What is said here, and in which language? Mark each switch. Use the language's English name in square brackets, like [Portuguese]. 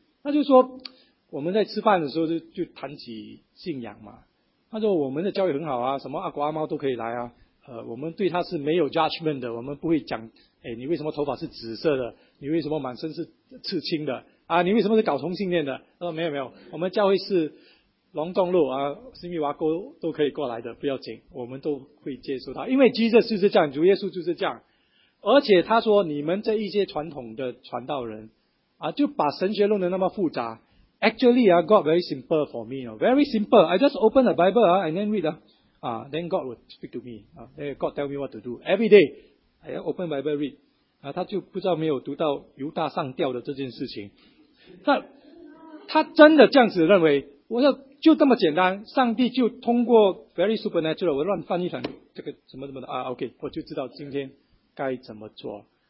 [Chinese] 他就说我们在吃饭的时候就谈起信仰嘛，他说我们的教育很好啊，什么阿狗阿猫都可以来啊，我们对他是没有 judgment 的，我们不会讲哎，你为什么头发是紫色的，你为什么满身是刺青的啊，你为什么是搞同性恋的。他说没有没有，我们教会是龙洞路啊，新密瓦沟都可以过来的，不要紧，我们都会接受他，因为 Jesus 就是这样，主耶稣就是这样。而且他说你们这一些传统的传道人啊，就把神学弄得那么复杂。 [English] Actually, God very simple for me. Very simple. I just open the Bible, and then read. Then God will speak to me. God tell me what to do. Every day, I open Bible read. [Chinese] 他就不知道没有读到犹大上吊的这件事情。他真的这样子认为，我说就这么简单，上帝就通过 [English] very supernatural, [Chinese] 我乱翻译成这个什么什么的啊 ,OK, 我就知道今天该怎么做。